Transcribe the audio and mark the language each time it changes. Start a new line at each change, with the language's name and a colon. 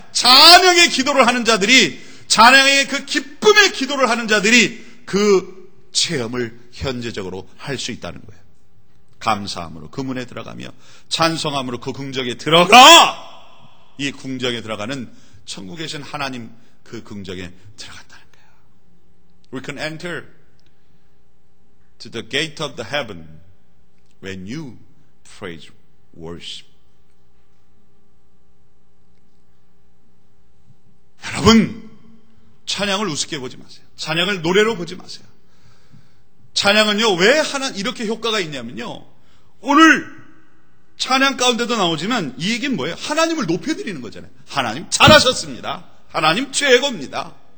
Korean: 찬양의 기도를 하는 자들이 찬양의 그 기쁨의 기도를 하는 자들이 그 체험을 현재적으로 할 수 있다는 거예요. 감사함으로 그 문에 들어가며 찬송함으로 그 궁정에 들어가! 이 궁정에 들어가는 천국에 계신 하나님 그 궁정에 들어갔다는 거예요.
English: We can enter to the gate of the heaven when you praise worship.
Korean: 여러분 찬양을 우습게 보지 마세요. 찬양을 노래로 보지 마세요. 찬양은요 왜 하나 이렇게 효과가 있냐면요 오늘 찬양 가운데도 나오지만 이 얘기는 뭐예요? 하나님을 높여드리는 거잖아요. 하나님 잘하셨습니다. 하나님 최고입니다.